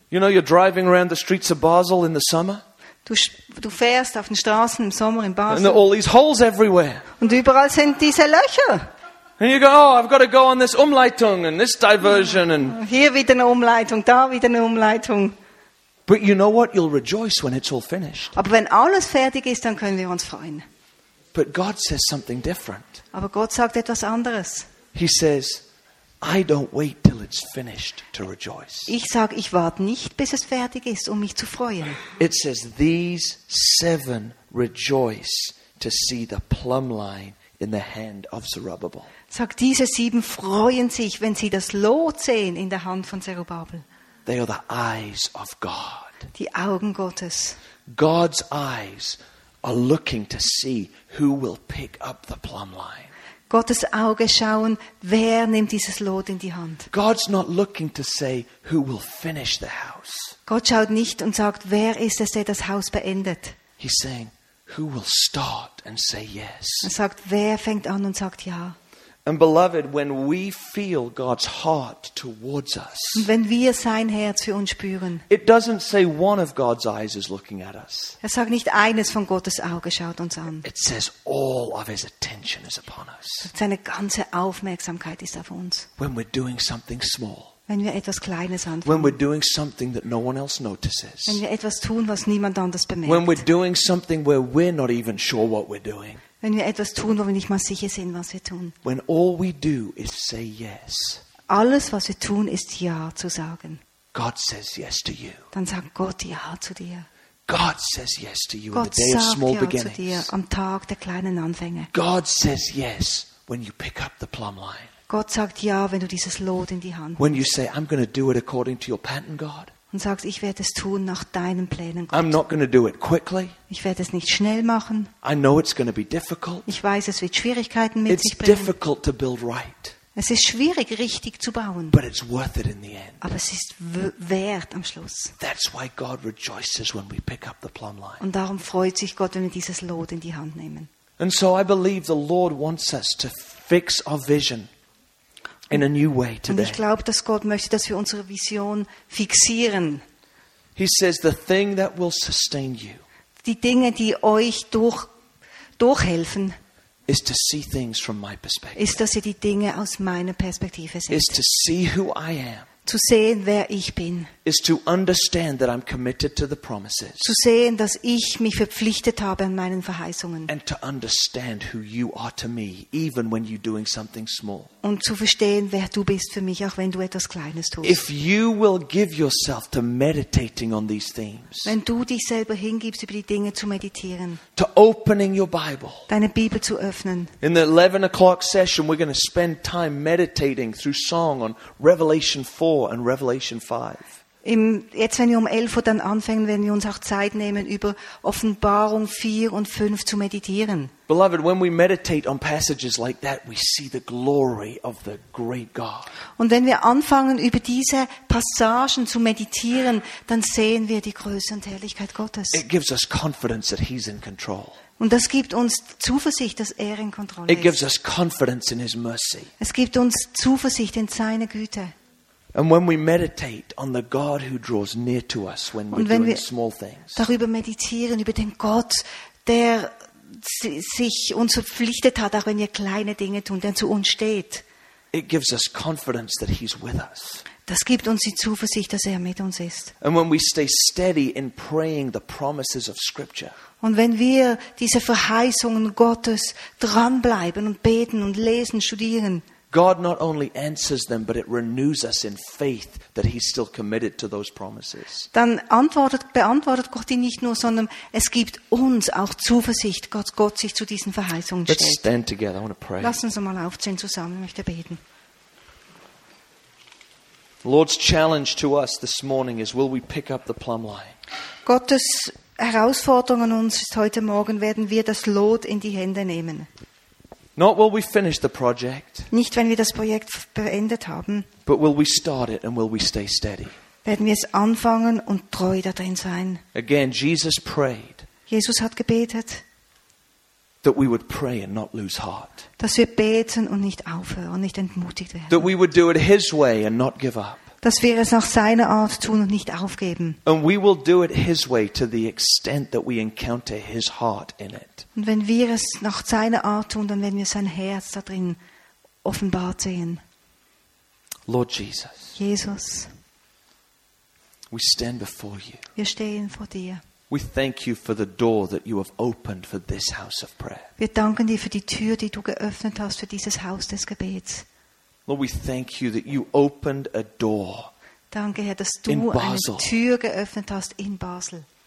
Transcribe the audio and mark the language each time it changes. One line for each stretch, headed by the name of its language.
English: You know, you're driving around the streets of Basel in the summer.
German: Du fährst auf den Straßen im Sommer in Basel.
English: And there are all these holes everywhere.
German: Und überall sind diese Löcher.
English: And you go, oh, I've got to go on this Umleitung and this diversion. And
German: hier wieder eine Umleitung, da wieder eine Umleitung.
English: But you know what? You'll rejoice when it's all finished.
German: Aber wenn alles fertig ist, dann können wir uns freuen.
English: But God says something different.
German: Aber Gott sagt etwas anderes.
English: He says, I don't wait till it's finished to rejoice.
German: Ich sag, ich warte nicht, bis es fertig ist, um mich zu freuen.
English: It says these seven rejoice to see the plumb line in the hand of Zerubbabel.
German: Sagt, diese sieben freuen sich, wenn sie das Lot sehen in der Hand von Zerubbabel.
English: They are the eyes of God.
German: Die Augen Gottes.
English: God's eyes are looking to see who will pick up the plumb line.
German: Gottes Auge schauen, wer nimmt dieses Lot in die Hand.
English: God's not looking to say who will finish the house.
German: Gott schaut nicht und sagt, wer ist es, der das Haus beendet.
English: He's saying, who will start and say yes.
German: Er sagt, wer fängt an und sagt ja.
English: And beloved, when we feel God's heart towards us,
German: und wenn wir sein Herz für uns spüren,
English: it doesn't say one of God's eyes is looking at us.
German: Er sagt nicht, eines von Gottes Auge schaut uns an.
English: It says all of His attention is upon us.
German: Seine ganze Aufmerksamkeit ist auf uns.
English: When we're doing something small,
German: wenn wir etwas Kleines anfangen,
English: when we're doing something that no one else notices,
German: wenn wir etwas tun, was niemand anders bemerkt,
English: when we're doing something where we're not even sure what we're doing.
German: Wenn wir etwas tun, wo wir nicht mal sicher sind, was wir tun.
English: When all we do is say yes.
German: Alles, was wir tun, ist ja zu sagen.
English: God says yes to you.
German: Dann sagt Gott ja zu dir.
English: God says yes to you
German: Gott
English: in the day
German: sagt
English: of small
German: ja
English: beginnings.
German: Zu dir am Tag der kleinen Anfänge.
English: God says yes when you pick up the plumb line.
German: Gott sagt ja, wenn du dieses Lot in die Hand nimmst.
English: When you say I'm going to do it according to your pattern, God.
German: Und sagst, ich werde es tun nach deinen Plänen, Gott.
English: I'm not going to do it quickly.
German: Ich werde es nicht schnell machen.
English: I know it's going to be difficult.
German: Ich weiß, es wird Schwierigkeiten mit
English: it's
German: sich bringen.
English: Difficult to build right.
German: Es ist schwierig, richtig zu bauen.
English: But it's worth it in the end.
German: Aber es ist wert am Schluss.
English: That's why God rejoices when we pick up the plumb line.
German: Und darum freut sich Gott, wenn wir dieses Lot in die Hand nehmen.
English: And so I believe the Lord wants us to fix our vision in a new way today.
German: Und ich glaube, dass Gott möchte, dass wir unsere Vision fixieren.
English: He says the thing that will sustain you.
German: Die Dinge, die euch durchhelfen.
English: Is to see things from my perspective.
German: Ist, dass ihr die Dinge aus meiner Perspektive seht.
English: Is to see who I am.
German: Zu sehen, wer ich bin.
English: Is to understand that I'm committed to the promises.
German: Zu sehen, dass ich mich verpflichtet habe an meinen Verheißungen.
English: And to understand who you are to me, even when you're doing something small.
German: Und zu verstehen, wer du bist für mich, auch wenn du etwas Kleines tust.
English: If you will give yourself to meditating on these themes.
German: Wenn du dich selber hingibst, über die Dinge zu meditieren.
English: To opening your Bible.
German: Deine Bibel zu öffnen.
English: In the 11 o'clock session, we're going to spend time meditating through song on Revelation 4 and Revelation 5.
German: Jetzt, wenn wir um 11 Uhr dann anfangen, werden wir uns auch Zeit nehmen, über Offenbarung 4 und 5 zu meditieren.
English: Beloved, when we meditate on passages like that, we see the glory of the great God.
German: Und wenn wir anfangen, über diese Passagen zu meditieren, dann sehen wir die Größe und Herrlichkeit Gottes.
English: It gives us confidence that he's in control.
German: Und das gibt uns Zuversicht, dass er in Kontrolle ist.
English: It gives us confidence in his mercy.
German: Es gibt uns Zuversicht in seine Güte.
English: And when we meditate on the God who draws near to us when we're doing small things.
German: Darüber meditieren über den Gott, der sich uns verpflichtet hat, auch wenn wir kleine Dinge tun, der zu uns steht.
English: It gives us confidence that he's with us.
German: Das gibt uns die Zuversicht, dass er mit uns ist.
English: And when we stay steady in praying the promises of scripture.
German: Und wenn wir diese Verheißungen Gottes dranbleiben und beten und lesen, studieren.
English: God not only answers them, but it renews us in faith that he's still committed to those promises.
German: Dann beantwortet Gott ihn nicht nur, sondern es gibt uns auch Zuversicht, dass Gott sich zu diesen Verheißungen stellt.
English: Let's stand together. I want to pray.
German: Lass uns einmal aufstehen zusammen. Ich möchte beten.
English: Lord's challenge to us this morning is, will we pick up the plumb line?
German: Gottes Herausforderung an uns ist heute Morgen, werden wir das Lot in die Hände nehmen?
English: Not will we finish the project.
German: Nicht, wenn wir das Projekt beendet haben.
English: But will we start it and will we stay steady?
German: Werden wir es anfangen und treu darin sein?
English: Again, Jesus prayed.
German: Jesus hat gebetet.
English: That we would pray and not lose heart.
German: Dass wir beten und nicht aufhören, nicht entmutigt werden.
English: That we would do it his way and not give up.
German: Dass wir es nach seiner Art tun und nicht aufgeben.
English: And we will do it his way to the extent that we encounter his heart in it.
German: Und wenn wir es nach seiner Art tun, dann werden wir sein Herz da drin offenbart sehen.
English: Lord Jesus.
German: Jesus.
English: We stand before you.
German: Wir stehen vor dir.
English: We thank you for the door that you have opened for this house of prayer.
German: Wir danken dir für die Tür, die du geöffnet hast für dieses Haus des Gebets.
English: Lord, we thank you that you opened a door.
German: Danke, Herr, dass du eine Tür geöffnet hast in Basel.